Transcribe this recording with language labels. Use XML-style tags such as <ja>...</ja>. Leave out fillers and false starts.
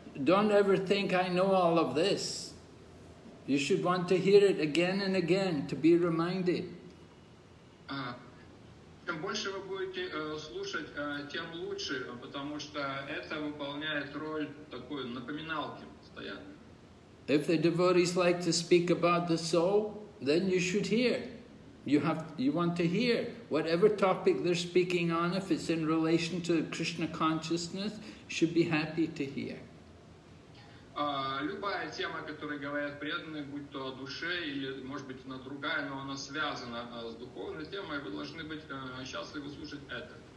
<en>Don't ever think I know all of this. You should want to hear it again and again to be reminded.</en> <ru>Чем больше вы будете слушать, тем лучше, потому что это выполняет роль такой напоминалки постоянно.</ru> <en>If the devotees like to speak about the soul, then you should hear. You want to hear whatever topic they're speaking on. If it's in relation to Krishna consciousness, should be happy to hear.</en> <ru>Любая тема, о которой говорят преданные, будь то о душе или, может быть, она другая, но она связана с духовной темой, вы должны быть счастливы слушать это.</ru>